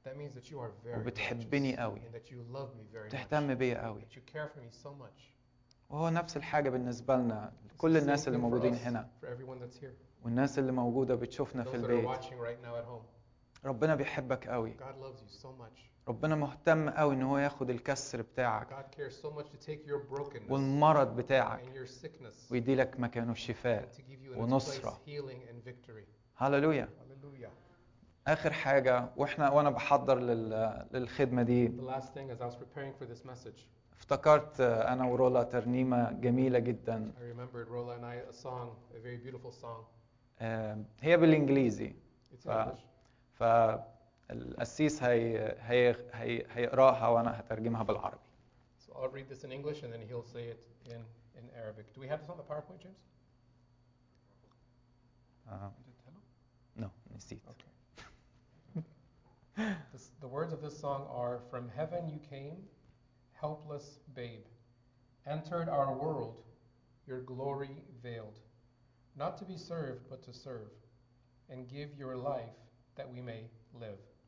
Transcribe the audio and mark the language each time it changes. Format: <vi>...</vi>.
<en>that means that you are very</en> <ar>وبتحبني قوي</ar> <en>and that you love me very</en> <ar>تهتم بيا قوي</ar> <en>that you care for me so much.</en> <ar>وهو نفس الحاجة بالنسبة لنا كل الناس اللي موجودين هنا والناس اللي موجودة بتشوفنا في البيت</ar> <en>right now at home.</en> <ar>ربنا بيحبك قوي</ar> <en>God loves you so much.</en> <ar>ربنا مهتم قوي ان هو ياخد الكسر بتاعك</ar> <en>God cares so much to take your brokenness</en> <ar>والمرض بتاعك</ar> <en>and your sickness</en> <ar>ويدي لك مكانه شفاء</ar> <en>and to give you</en> <ar>ونصرة</ar> <en>healing and victory.</en> <ar>هللويا هللويا اخر حاجه وانا بحضر للخدمه دي</ar> <en>the last thing as I was preparing for this message</en> <ar>افتكرت انا ورولا ترنيمه جميله جدا</ar> <en>I remembered Rola and I a song a very beautiful song</en> <ar>هي بالانجليزي ف القسيس هيقراها وانا هترجمها بالعربي.</ar> <en>So I'll read this in English and then he'll say it in Arabic. Do we have this on the PowerPoint, James?</en> <ar>No, نسيت.</ar> <en>Okay. the words of this song are from heaven you came, helpless babe, entered our world, your glory veiled, not to be served but to serve and give your life that we may live.</en>